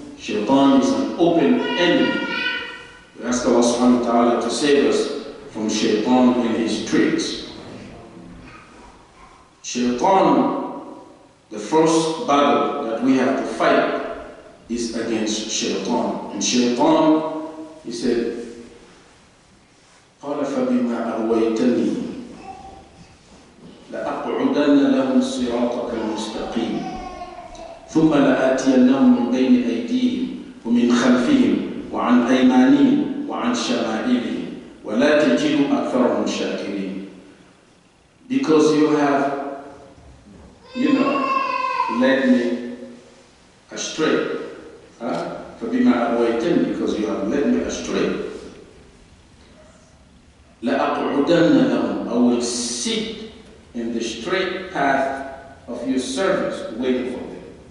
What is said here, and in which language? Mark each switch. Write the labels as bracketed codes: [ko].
[en] Shaytan is an open enemy. We ask Allah subhanahu wa ta'ala to save us from Shaytan and his tricks. Shaytan, the first battle that we have to fight is against Shaytan. And Shaytan, he said, [ar] قَالَ فَبِمَا أَغْوَيْتَنِي لَأَقْعُدَنَّ لَهُمْ صِرَاطَكَ الْمُسْتَقِيمَ ثُمَّ لَآتِيَنَّهُمْ مِنْ بَيْنِ أَيْدِيهِمْ وَمِنْ خَلْفِهِمْ وَعَنْ أَيْمَانِهِمْ وَعَنْ شَمَائِلِهِمْ وَلَا تَجِدُ أَكْثَرَهُمْ شَاكِرِينَ. [en] Because you have, you know, led me astray. [ar] فَبِمَا أَغْوَيْتَنِي, [en] because you have led me astray. [ar] لَأَقْعُدَنَّ لَهُمْ, [en] I will sit in the straight path of your service waiting for them.